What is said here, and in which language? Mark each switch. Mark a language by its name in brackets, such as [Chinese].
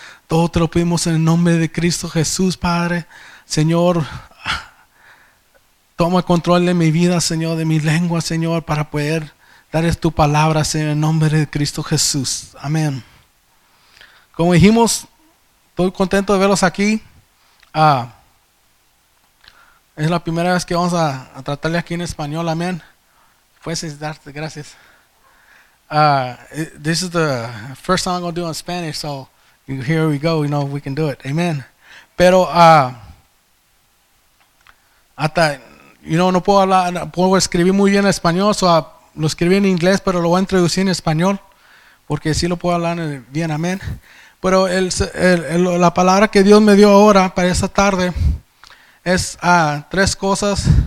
[Spanish] Todo te lo pedimos en el nombre de Cristo Jesús, Padre. Señor, toma control de mi vida, Señor, de mi lengua, Señor, para poder darles tu palabra, Señor, en el nombre de Cristo Jesús, amén. Como dijimos, estoy contento de verlos aquí. Es la primera vez que vamos a tratarle aquí en español, amén. Puedes darte gracias. [English] This is the first time I'm going to do in Spanish, so here we go, you know, we can do it, amen. [Spanish] Pero, no puedo hablar, puedo escribir muy bien en español, so lo escribí en inglés, pero lo voy a introducir en español, porque sí lo puedo hablar bien, amén. Pero la palabra que Dios me dio ahora para esta tarde es tres cosas.